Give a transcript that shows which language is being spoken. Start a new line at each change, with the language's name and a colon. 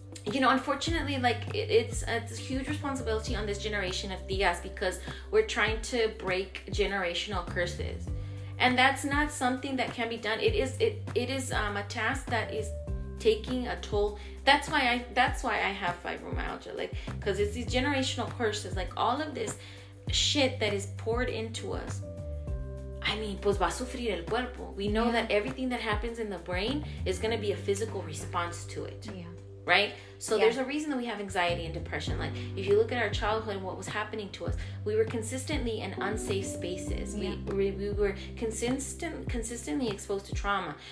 English: You know, unfortunately, like, it's a huge responsibility on this generation of tías, because we're trying to break generational curses. And that's not something that can be done. It is a task that is taking a toll. That's why I have fibromyalgia, like, because it's these generational curses, like, all of this shit that is poured into us. I mean,
Spanish: pues va a sufrir el cuerpo.
English: We know that everything that happens in the brain is going to be a physical response to it. Yeah. Right? So there's a reason that we have anxiety and depression. Like, if you look at our childhood and what was happening to us, we were consistently in unsafe spaces. Yeah. We were consistently exposed to trauma.